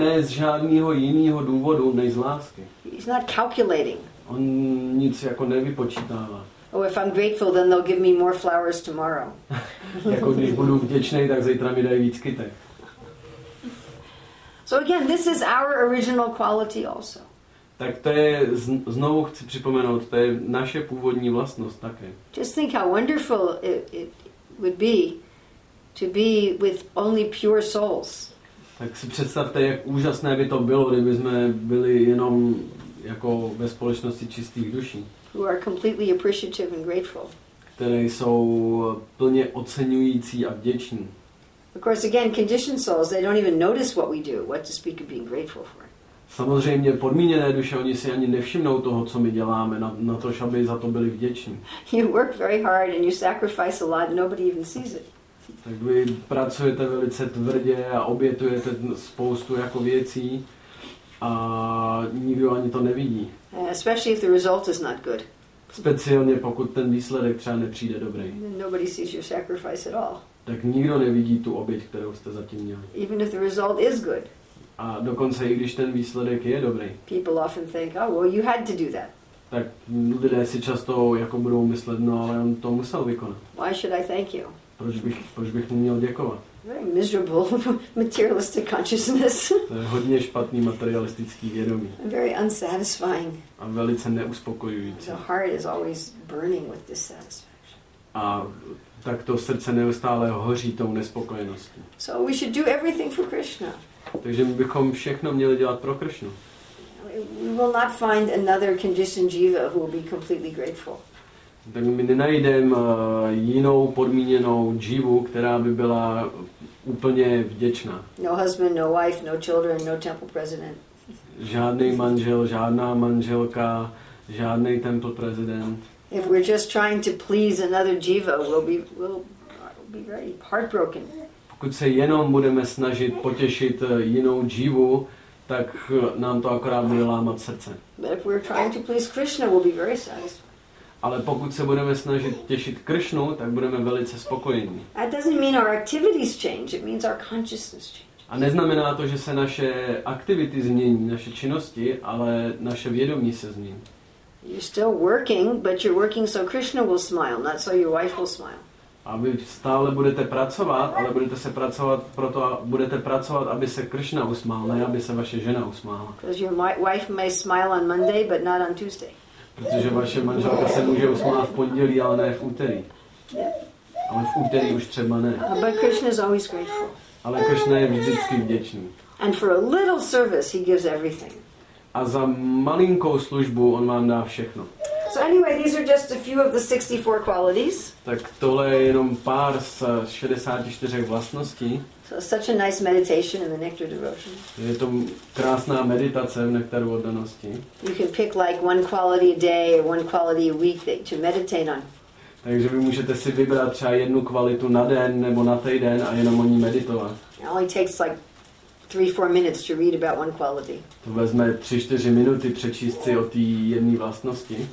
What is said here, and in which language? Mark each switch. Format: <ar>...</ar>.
<cs>Ne z žádného jiného důvodu než z lásky.</cs> <en>He's not calculating.</en> <cs>On nic jako nevypočítává.</cs> <en>Oh, if I'm grateful, then they'll give me more flowers tomorrow.</en> <cs>Jako když budu vděčný, tak zítra mi dají víc kytek.</cs> <en>So again, this is our original quality also.</en> <cs>Tak to je, znovu chci připomenout, to je naše původní vlastnost také.</cs> <en>Just think how wonderful it would be to be with only pure souls.</en> <cs>Tak si představte, jak úžasné by to bylo, kdyby jsme byli jenom jako ve společnosti čistých duší.</cs> <en>Who are completely appreciative and grateful.</en> <cs>Které jsou plně oceňující a vděční.</cs> <en>Of course, again, conditioned souls, they don't even notice what we do, what to speak of being grateful for.</en> <cs>Samozřejmě podmíněné duše, oni si ani nevšimnou toho, co my děláme, na to, aby za to byli vděční.</cs> <en>You work very hard and you sacrifice a lot, nobody even sees it.</en> <cs>Tak vy pracujete velice tvrdě a obětujete spoustu jako věcí a nikdo ani to nevidí.</cs> <en>Especially if the result is not good.</en> <cs>Speciálně pokud ten výsledek třeba nepřijde dobrý.</cs> <en>Nobody sees your sacrifice at all.</en> <cs>Tak nikdo nevidí tu oběť, kterou jste zatím měli.</cs> <en>Even if the result is good.</en> <cs>A dokonce i když ten výsledek je dobrý.</cs> <en>People often think, oh, well, you had to do that.</en> <cs>Tak lidé si často jako budou myslet, no, ale on to musel vykonat.</cs> <en>Why should I thank you?</en> <cs>proč bych mu měl děkovat?</cs> <en>Very miserable materialistic consciousness.</en> <cs>To je hodně špatný materialistický vědomí.</cs> <en>Very unsatisfying.</en> <cs>A velice neuspokojující.</cs> <en>The heart is always burning with dissatisfaction.</en> <cs>A tak to srdce neustále hoří tou nespokojeností.</cs> <en>So we should do everything for Krishna.</en> <cs>Takže my bychom všechno měli dělat pro Krishnu.</cs> <en>We will not find another conditioned jiva who will be completely grateful.</en> <cs>Tak my nenajdeme jinou podmíněnou jivu, která by byla úplně vděčná.</cs> <en>No husband, no wife, no children, no temple president.</en> <cs>Žádný manžel, žádná manželka, žádný temple president.</cs> <en>If we're just trying to please another jiva, we'll be very heartbroken.</en> <cs>Pokud se jenom budeme snažit potěšit jinou jivu, tak nám to akorát bude lámat srdce.</cs> <en>But if we're trying to please Krishna, we'll be very satisfied.</en> <cs>Ale pokud se budeme snažit těšit Krishnu, tak budeme velice spokojení.</cs> <en>That doesn't mean our activities change, it means our consciousness changes.</en> <cs>A neznamená to, že se naše aktivity změní, naše činnosti, ale naše vědomí se změní.</cs> <en>You're still working, but you're working so Krishna will smile, not so your wife will smile.</en> <cs>A vy stále budete pracovat, ale budete se pracovat proto, budete pracovat, aby se Krishna usmál, ne aby se vaše žena usmála.</cs> <en>Because your wife may smile on Monday, but not on Tuesday.</en> <cs>Protože vaše manželka se může usmát v pondělí, ale ne v úterý. Ale v úterý už třeba ne.</cs> <en>But Krishna is always grateful.</en> <cs>Ale Krishna je vždycky vděčný.</cs> <en>And for a little service he gives everything.</en> <cs>A za malinkou službu on vám dá všechno.</cs> <en>So anyway, these are just a few of the 64 qualities.</en> <cs>Tak tohle je jenom pár z 64 vlastností.</cs> <en>So such a nice meditation in the nectar devotion.</en> <cs>Je to krásná meditace v nektaru oddanosti.</cs> <en>You can pick like one quality a day or one quality a week to meditate on.</en> <cs>Takže vy můžete si vybrat třeba jednu kvalitu na den nebo na týden a jenom o ní meditovat.</cs> <en>It only takes like 3-4 minutes to read about one quality.</en> <cs>To vezme 3-4 minuty přečíst si o té jedné vlastnosti.</cs>